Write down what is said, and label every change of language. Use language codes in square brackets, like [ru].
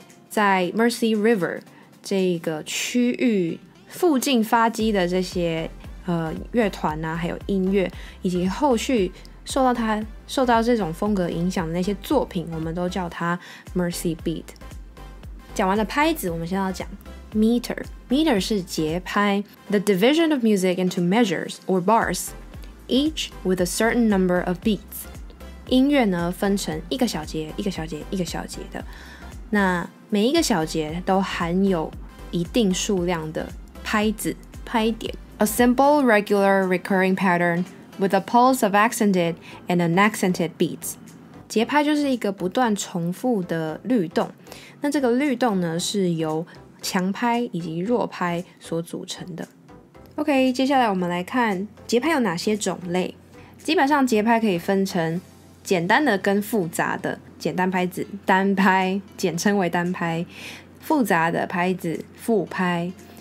[zh] 在 Mersey River 这个区域附近发迹的这些乐团啊，还有音乐，以及后续受到这种风格影响的那些作品，我们都叫它 Mersey Beat。讲完了拍子，我们现在要讲meter。 [en] meter [zh] 是节拍， [en] the division of music into measures or bars. Each with a certain number of beats. [zh] 音乐呢分成一个小节一个小节一个小节的，那每一个小节都含有一定数量的拍子拍点。 [en] A simple regular recurring pattern with a pulse of accented and unaccented beats. [zh] 节拍就是一个不断重复的律动，那这个律动呢是由强拍以及弱拍所组成的。 OK， 接下来我们来看节拍有哪些种类。基本上节拍可以分成简单的跟复杂的，简单拍子单拍简称为单拍，复杂的拍子复拍。